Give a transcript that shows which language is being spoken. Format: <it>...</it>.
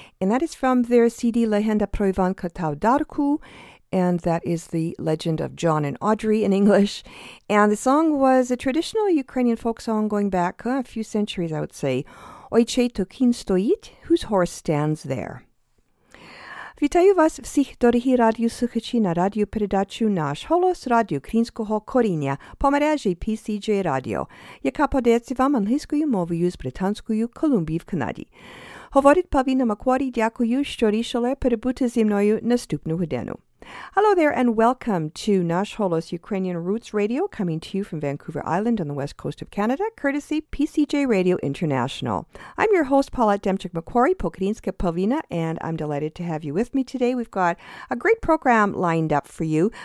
<en>And that is from their CD Legenda Pro Ivanka Tau Darku, and that is the legend of John and Audrey in English. And the song was a traditional Ukrainian folk song going back a few centuries, I would say.</en> <uk>Oy che to kin stoit?</uk> <en>Whose horse stands there?</en> <uk>Вітаю вас всіх, дорогі радіослухачі, на радіопередачу «Наш голос» радіо Українського коріння по мережі PCJ Radio, яка подається вам англійською мовою з Британською Колумбії в Канаді. Говорить Павіна Макворі, дякую, що рішили перебути зі мною наступну годину.</uk> <en>Hello there, and welcome to Nash Holos Ukrainian Roots Radio, coming to you from Vancouver Island on the west coast of Canada, courtesy PCJ Radio International. I'm your host, Paulette Demchuk-Macquarie, Pokrinska Polvina, and I'm delighted to have you with me today. We've got a great program lined up for you.</en>